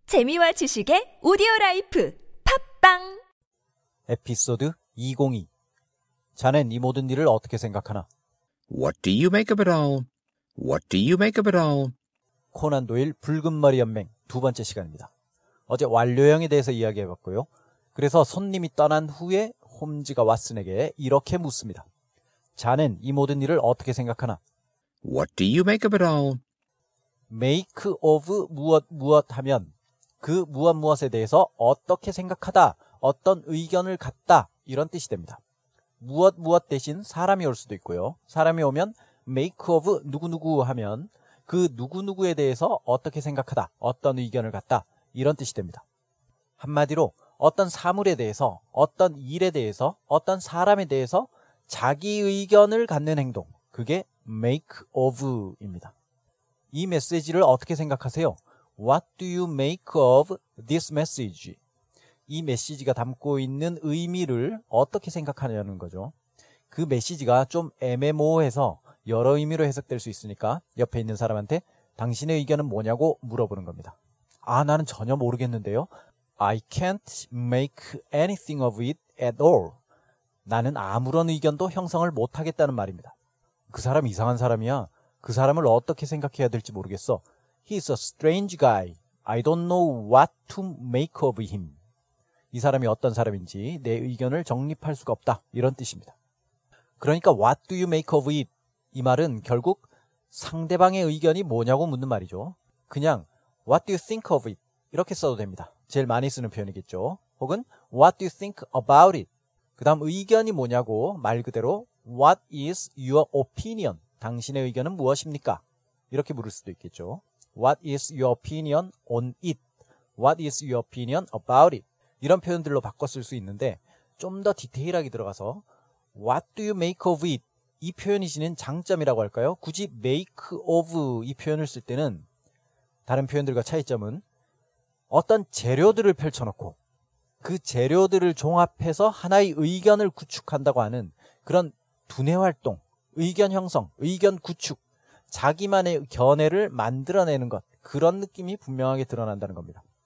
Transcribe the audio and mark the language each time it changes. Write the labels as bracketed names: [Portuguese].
[Korean] 재미와 지식의 오디오라이프 팝빵 에피소드 202 자넨 이 모든 일을 어떻게 생각하나? [English] What do you make of it all? What do you make of it all? [Korean] 코난 도일 붉은 머리 연맹 두 번째 시간입니다. 어제 완료형에 대해서 이야기해봤고요. 그래서 손님이 떠난 후에 홈즈가 왓슨에게 이렇게 묻습니다. 자넨 이 모든 일을 어떻게 생각하나? [English] What do you make of it all? [Korean] Make of 무엇 무엇 하면 그 무엇 무엇에 대해서 어떻게 생각하다, 어떤 의견을 갖다 이런 뜻이 됩니다. 무엇 무엇 대신 사람이 올 수도 있고요. 사람이 오면 make of 누구누구 하면 그 누구누구에 대해서 어떻게 생각하다, 어떤 의견을 갖다 이런 뜻이 됩니다. 한마디로 어떤 사물에 대해서, 어떤 일에 대해서, 어떤 사람에 대해서 자기 의견을 갖는 행동, 그게 make of입니다. 이 메시지를 어떻게 생각하세요? [English] What do you make of this message? [Korean] 이 메시지가 담고 있는 의미를 어떻게 생각하냐는 거죠. 그 메시지가 좀 애매모호해서 여러 의미로 해석될 수 있으니까 옆에 있는 사람한테 당신의 의견은 뭐냐고 물어보는 겁니다. 아, 나는 전혀 모르겠는데요. [English] I can't make anything of it at all. [Korean] 나는 아무런 의견도 형성을 못하겠다는 말입니다. 그 사람 이상한 사람이야. 그 사람을 어떻게 생각해야 될지 모르겠어. [English] He's a strange guy. I don't know what to make of him. [Korean] 이 사람이 어떤 사람인지 내 의견을 정립할 수가 없다. 이런 뜻입니다. 그러니까 [English] what do you make of it? [Korean] 이 말은 결국 상대방의 의견이 뭐냐고 묻는 말이죠. 그냥 [English] what do you think of it? [Korean] 이렇게 써도 됩니다. 제일 많이 쓰는 표현이겠죠. 혹은 [English] what do you think about it? [Korean] 그 다음 의견이 뭐냐고 말 그대로 [English] what is your opinion? [Korean] 당신의 의견은 무엇입니까? 이렇게 물을 수도 있겠죠. [English] What is your opinion on it? What is your opinion about it? [Korean] 이런 표현들로 바꿔 쓸 수 있는데 좀 더 디테일하게 들어가서 [English] What do you make of it? [Korean] 이 표현이 지닌 장점이라고 할까요? 굳이 make of 이 표현을 쓸 때는 다른 표현들과 차이점은 어떤 재료들을 펼쳐놓고 그 재료들을 종합해서 하나의 의견을 구축한다고 하는 그런 두뇌활동, 의견 형성, 의견 구축 자기만의 견해를 만들어내는 것, 그런 느낌이 분명하게 드러난다는 겁니다.